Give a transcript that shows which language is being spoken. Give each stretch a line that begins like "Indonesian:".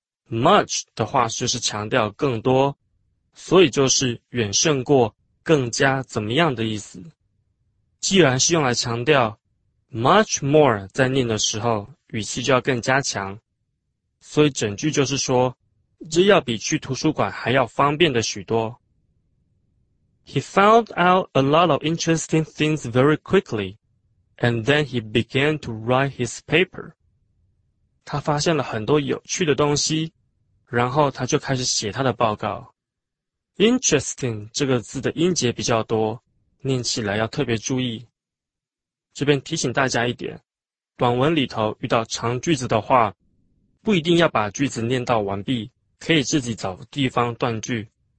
Chinese: Much 的话就是强调更多，所以就是远胜过、更加怎么样的意思。既然是用来强调 ，
English: much more
Chinese: 在念的时候语气就要更加强，所以整句就是说，这要比去图书馆还要方便的许多。
English: He found out a lot of interesting things very quickly, and then he began to write his paper.
Chinese: 他发现了很多有趣的东西。然后他就开始写他的报告。 Interesting 这个字的音节比较多，念起来要特别注意。这边提醒大家一点，短文里头遇到长句子的话，不一定要把句子念到完毕，可以自己找地方断句。